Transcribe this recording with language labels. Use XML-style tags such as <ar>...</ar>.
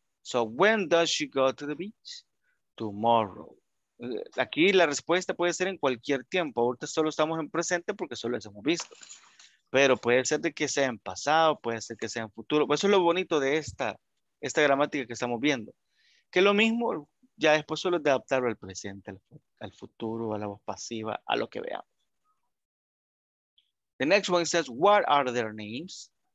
<en>So, when does she go to the beach? Tomorrow.</en> <es>Aquí la respuesta puede ser en cualquier tiempo. Ahorita solo estamos en presente porque solo les hemos visto. Pero puede ser de que sea en pasado, puede ser que sea en futuro. Eso es lo bonito de esta gramática que estamos viendo. Que lo mismo... Ya después solo de adaptarlo al presente, al futuro, a la voz pasiva, a lo que veamos.</es> <en>The next one says, what are their names?</en>